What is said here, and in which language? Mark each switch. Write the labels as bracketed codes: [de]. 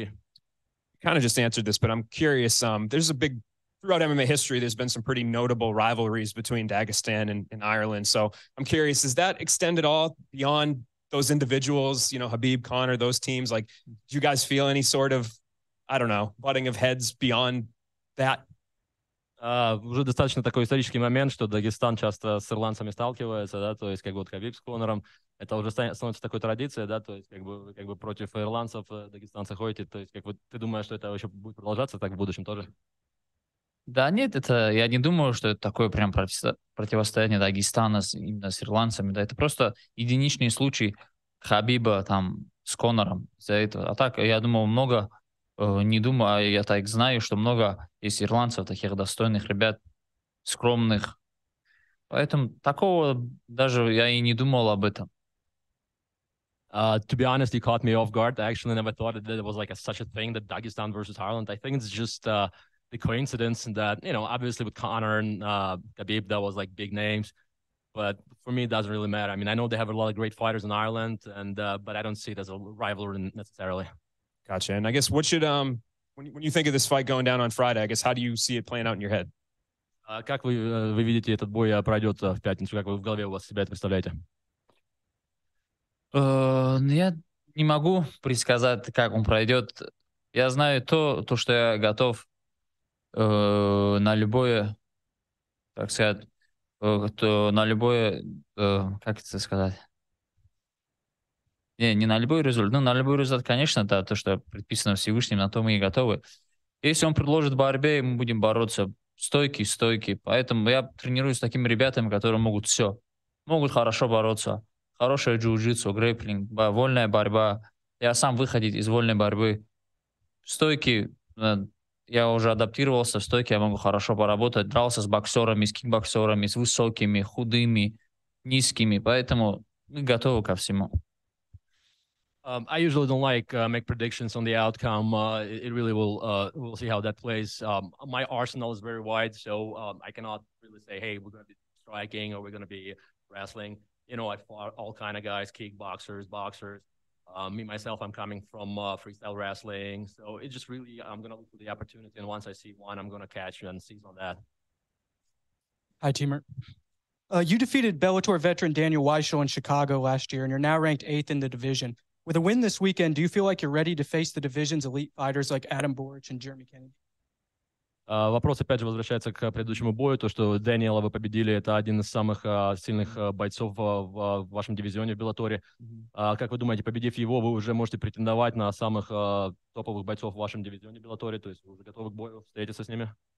[en] You kind of just answered this, but I'm curious. There's a big, throughout MMA history, there's been some pretty notable rivalries between Dagestan and Ireland. So I'm curious, does that extend at all beyond those individuals, you know, Habib, Connor, those teams? Like, do you guys feel any sort of, I don't know, butting of heads beyond that. [ru] Уже достаточно такой исторический момент, что Дагестан часто с ирландцами сталкивается, да, то есть как бы вот Хабиб с Конором, это уже становится такой традицией, да, то есть как бы против ирландцев дагестанцы ходите, то есть как бы ты думаешь, что это вообще будет продолжаться так в будущем тоже? Да нет, это я не думаю, что это такое прям противостояние Дагестана именно с ирландцами, да, это просто единичный случай Хабиба там с Конором из-за этого. А так, я думаю, много... Не думаю, я так знаю, что много есть ирландцев, таких достойных ребят, скромных. Поэтому такого даже я и не думал об этом. [en] To be honest, you caught me off guard. I actually never thought that it was like such a thing, that Dagestan versus Ireland. I think it's just the coincidence that, you know, obviously with Conor and Khabib, that was like big names. But for me, it doesn't really matter. I mean, I know they have a lot of great fighters in Ireland, but I don't see it as a rivalry necessarily. Gotcha. And I guess what should when you think of this fight going down on Friday, I guess how do you see it playing out in your head? [ru] Как вы видите этот бой пройдет в пятницу? Как вы в голове у вас себя это представляете? Я не могу предсказать, как он пройдет. Я знаю то, что я готов на любое, так сказать, на любое, как это сказать? Не на любой результат. Ну, на любой результат, конечно, да, то, что предписано Всевышним, на то мы и готовы. Если он предложит борьбе, мы будем бороться. Стойки. Поэтому я тренируюсь с такими ребятами, которые могут все. Могут хорошо бороться. Хорошее джиу-джитсу, грэпплинг, вольная борьба. Я сам выходить из вольной борьбы. Стойки. Я уже адаптировался в стойке, я могу хорошо поработать. Дрался с боксерами, с кикбоксерами, с высокими, худыми, низкими. Поэтому мы готовы ко всему. [en] I usually don't like make predictions on the outcome. It really will. We'll see how that plays. My arsenal is very wide, so I cannot really say, "Hey, we're going to be striking or we're going to be wrestling." You know, I fought all kind of guys: kickboxers, boxers. Me myself, I'm coming from freestyle wrestling, so it just really I'm going to look for the opportunity, and once I see one, I'm going to catch you and seize on that. Hi, Timur. You defeated Bellator veteran Daniel Weishel in Chicago last year, and you're now ranked 8th in the division. With a win this weekend, do you feel like you're ready to face the division's elite fighters like Adam Borich and Jeremy Kennedy? [ru] Вопрос опять же возвращается к предыдущему бою, то что Дэниела вы победили, это один из самых сильных бойцов в вашем дивизионе в Беллаторе. Как вы думаете, победив его, вы уже можете претендовать на самых топовых бойцов в вашем дивизионе в Беллаторе, то есть вы уже готовы к бою встретиться с ними?